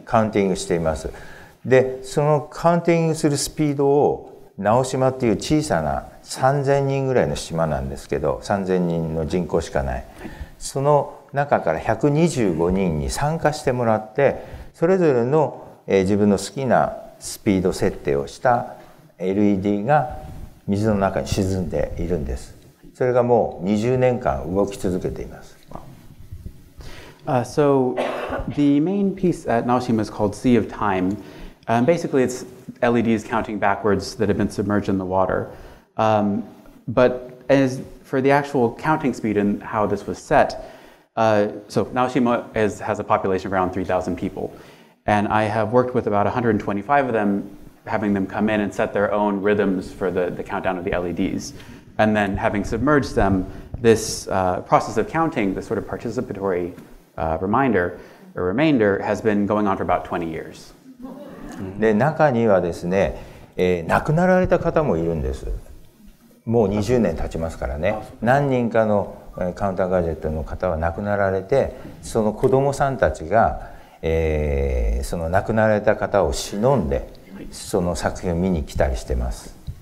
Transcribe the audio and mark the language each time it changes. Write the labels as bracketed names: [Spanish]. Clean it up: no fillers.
[Japanese] カウンティングしています。でそのカウンティングするスピードを直島っていう小さな3000人ぐらいの島なんですけど、3000人の人口しかない、その中から125人に参加してもらって、それぞれの自分の好きなスピード設定をした LED が水の中に沈んでいるんです。それがもう20年間動き続けています。 [English] So the main piece at Naoshima is called Sea of Time. Basically, it's LEDs counting backwards that have been submerged in the water. But as for the actual counting speed and how this was set, so Naoshima has a population of around 3,000 people. And I have worked with about 125 of them, having them come in and set their own rhythms for the countdown of the LEDs. And then having submerged them, this process of counting, the sort of participatory remainder has been going on for about 20 years. [Japanese] で中にはですね、亡くなられた方もいるんです。もう20年経ちますからね。何人かのカウンターガジェットの方は亡くなられて、その子供さんたちが、その亡くなられた方を偲んでその作品を見に来たりしてます。